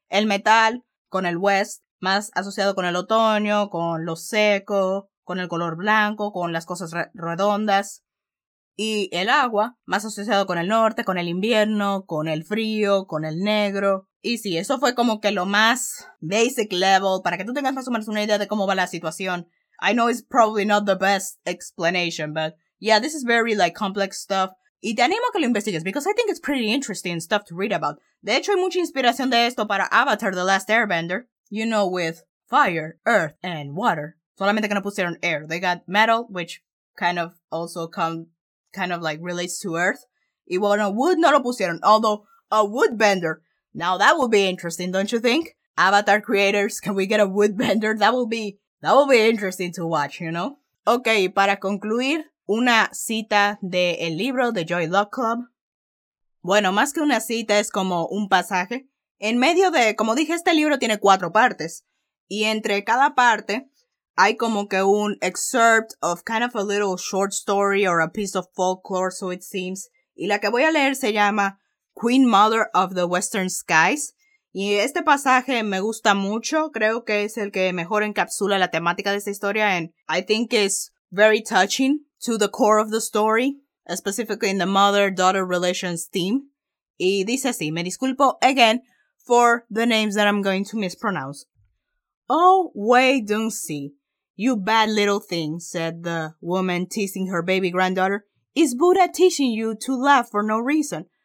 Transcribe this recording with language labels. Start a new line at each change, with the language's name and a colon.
Spanish: El metal, con el west, más asociado con el otoño, con lo seco, con el color blanco, con las cosas redondas. Y el agua, más asociado con el norte, con el invierno, con el frío, con el negro. Y sí, eso fue como que lo más basic level, para que tú tengas más o menos una idea de cómo va la situación.
English: I know it's probably not the best explanation, but yeah, this is very like complex stuff.
Spanish: Y te animo a que lo investigues,
English: because I think it's pretty interesting stuff to read about.
Spanish: De hecho, hay mucha inspiración de esto para Avatar The Last Airbender.
English: You know, with fire, earth, and water.
Spanish: Solamente que no pusieron
English: air. They got metal, which kind of also relates to earth.
Spanish: Y bueno, wood no lo pusieron.
English: Although, a woodbender. Now that would be interesting, don't you think? Avatar creators, can we get a woodbender? That will be interesting to watch, you know?
Spanish: Okay, para concluir, una cita de el libro de Joy Luck Club. Bueno, más que una cita, es como un pasaje. En medio de, como dije, este libro tiene cuatro partes. Y entre cada parte, hay como que
English: un excerpt of kind of a little short story or a piece of folklore, so it seems.
Spanish: Y la que voy a leer se llama Queen Mother of the Western Skies. Y este pasaje me gusta mucho. Creo que es el que mejor encapsula la temática de esta historia.
English: And I think it's very touching to the core of the story, specifically in the mother-daughter relations theme.
Spanish: Y dice así, me disculpo
English: again for the names that I'm going to mispronounce. Oh, Wei Dunxi, you bad little thing, said the woman teasing her baby granddaughter. Is Buddha teaching you to laugh for no reason?